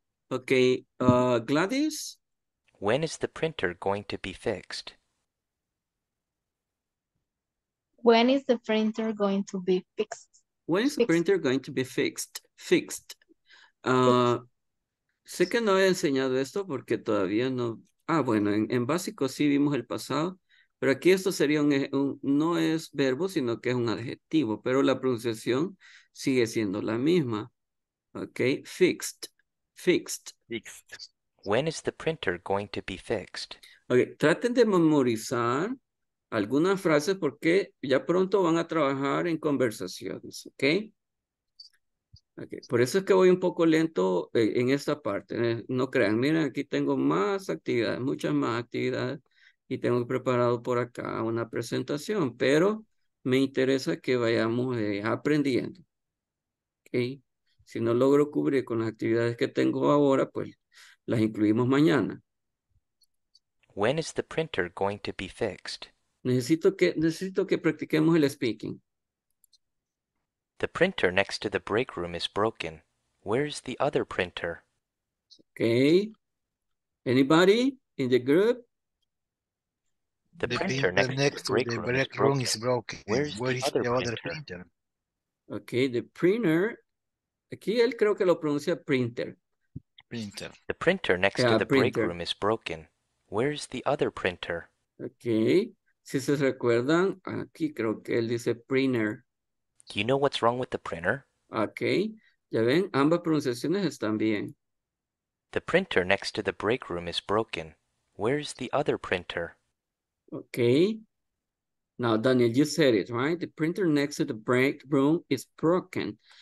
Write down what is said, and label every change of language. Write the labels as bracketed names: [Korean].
[English] Okay, Gladys? When is the printer going to be fixed? When is the printer going to be fixed? When is the printer going to be fixed? Fixed. [Spanish] Sé que no he enseñado esto porque todavía no... Ah, bueno, en básico sí vimos el pasado, pero aquí esto sería un no es verbo, sino que es un adjetivo, pero la pronunciación sigue siendo la misma. [English] Okay, fixed. Fixed. Fixed. When is the printer going to be fixed? [Spanish] Okay, traten de memorizar algunas frases porque ya pronto van a trabajar en conversaciones, okay? Okay, por eso es que voy un poco lento en esta parte. No crean, miren, aquí tengo más actividades, muchas más actividades y tengo preparado por acá una presentación, pero me interesa que vayamos aprendiendo, okay? Si no logro cubrir con las actividades que tengo ahora, pues las incluimos mañana. [English] When is the printer going to be fixed? [Spanish] Necesito que practiquemos el speaking. [English] The printer next to the break room is broken. Where is the other printer? Okay. Anybody in the group? The printer next to the break room is broken. Where is the other printer? Okay, the printer... [Spanish] Aquí él creo que lo pronuncia printer. [English] Printer. The printer next to the printer. Break room is broken. Where is the other printer? Okay. [Spanish] Si se recuerdan, aquí creo que él dice printer. [English] Do you know what's wrong with the printer? [Spanish] Okay. Ya ven, ambas pronunciaciones están bien. [English] The printer next to the break room is broken. Where is the other printer? Okay. Now, Daniel, you said it, right? The printer next to the break room is broken.